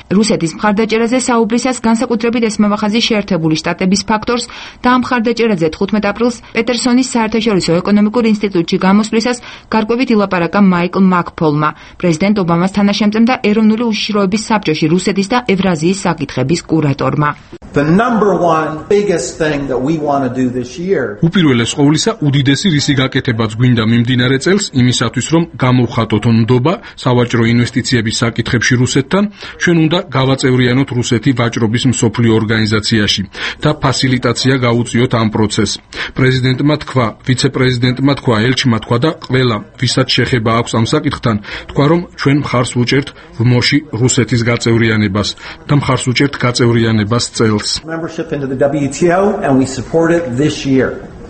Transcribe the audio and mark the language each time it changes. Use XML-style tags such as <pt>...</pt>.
<ka>რუსეთის მხარდაჭერაზე საუბრისას განსაკუთრებით ესმევა ხაზი შეერთებული შტატების ფაქტორს და ამ მხარდაჭერაზე 15 აპრილს პეტერსონის საერთაშორისო ეკონომიკურ ინსტიტუტში გამოსვლისას გარკვევით ილაპარაკა მაიკლ მაკფოლმა, პრეზიდენტ ობამას თანაშემწემ და ეროვნული უშიშროების საბჭოში რუსეთის და ევრაზიის საკითხების კურატორმა.</ka> <en>The number one biggest thing that we want to do this year.</en> <ka>უპირველეს ყოვლისა, უდიდესი რისი გაკეთებაც გვინდა მიმდინარე წელს იმისათვის, რომ გამოვხატოთონ ნდობა სავაჭრო ინვესტიციების საკითხებში რუსეთთან, ჩვენ უნდა გავაწევრიანოთ რუსეთი ვაჭრობის მსოფლიო ორგანიზაციაში და ფასილიტაცია გაუწიოთ ამ პროცესს. პრეზიდენტმა თქვა, ვიცე-პრეზიდენტმა თქვა, ელჩმა თქვა და ყველა, ვისაც შეხება აქვს ამ საკითხთან, თქვა, რომ ჩვენ მხარს უჭერთ ვმოში რუსეთის გაწევრიანებას და მხარს უჭერთ გაწევრიანებას წელს.</ka>